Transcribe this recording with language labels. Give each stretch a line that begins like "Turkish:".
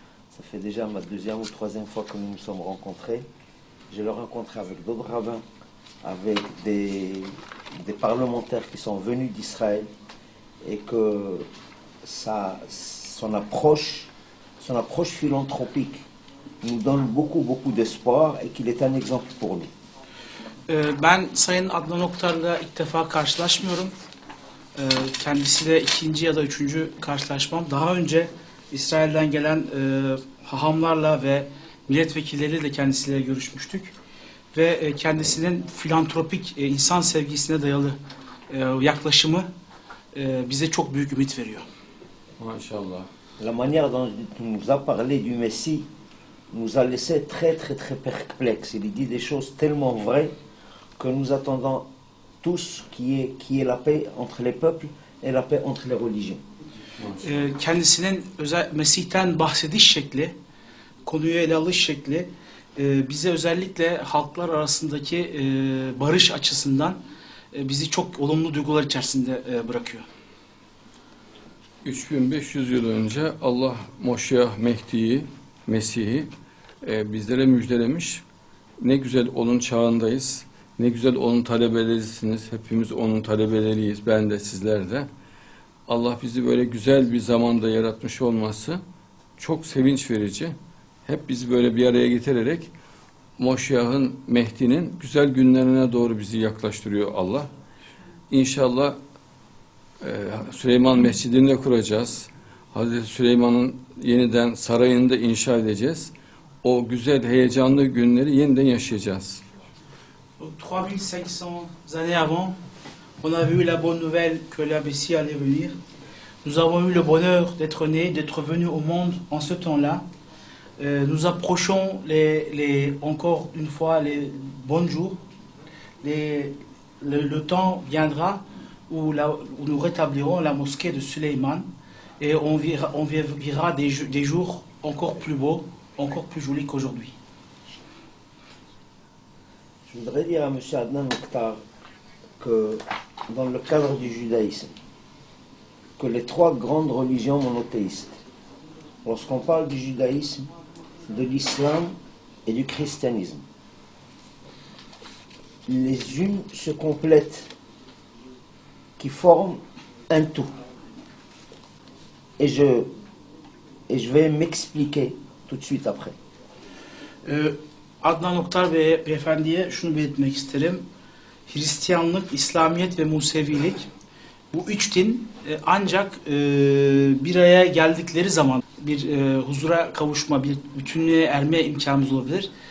French: Ça fait déjà ma deuxième ou troisième fois que nous nous sommes rencontrés. Je l'ai rencontré avec d'autres rabbins, avec des parlementaires qui sont venus d'Israël et que son approche philanthropique nous donne beaucoup, beaucoup d'espoir et qu'il est un exemple pour nous.
Turkish: Ben Sayın Adnan Oktar'la ilk defa karşılaşmıyorum. Kendisiyle ikinci ya da üçüncü karşılaşmam. Daha önce İsrail'den gelen hahamlarla ve milletvekilleriyle de kendisiyle görüşmüştük. Ve kendisinin filantropik, insan sevgisine dayalı yaklaşımı bize çok büyük ümit veriyor. Maşallah.
French: La manière dont tu nous as parlé du Messie nous a laissé très très très perplexe. Il dit des choses tellement vraies que nous attendons tous qui est la paix entre les peuples et la paix entre les religions.
Turkish: Kendisinin özel Mesih'ten bahsediş şekli, konuyu ele alış şekli bize özellikle halklar arasındaki barış açısından bizi çok olumlu duygular içerisinde bırakıyor. 3500 yıl önce Allah Moşiyah Mehdi'yi Mesih'i bizlere müjdelemiş. Ne güzel onun çağındayız. Ne güzel onun talebelerisiniz. Hepimiz onun talebeleriyiz. Ben de sizler de. Allah bizi böyle güzel bir zamanda yaratmış olması çok sevinç verici. Hep bizi böyle bir araya getirerek Moşiyah'ın, Mehdi'nin güzel günlerine doğru bizi yaklaştırıyor Allah. İnşallah Süleyman Mescidi'ni de kuracağız. Hazreti Süleyman'ın yeniden sarayını da inşa edeceğiz. O güzel, heyecanlı günleri yeniden yaşayacağız.
French: 3500 années avant, on a vu la bonne nouvelle que la Messie allait venir. Nous avons eu le bonheur d'être nés, d'être venus au monde en ce temps-là. Nous approchons les encore une fois les bons jours. Le temps viendra où nous rétablirons la mosquée de Suleyman et on vivra des jours encore plus beaux, encore plus jolis qu'aujourd'hui. Je voudrais dire à M. Adnan Mokhtar que dans le cadre du judaïsme, que les trois grandes religions monothéistes, lorsqu'on parle du judaïsme, de l'islam et du christianisme, les unes se complètent, qui forment un tout. Et je vais m'expliquer tout de suite après.
Turkish: Adnan Oktar ve Beyefendi'ye şunu belirtmek isterim. Hristiyanlık, İslamiyet ve Musevilik, bu üç din ancak bir araya geldikleri zaman bir huzura kavuşma, bir bütünlüğe erme imkanımız olabilir.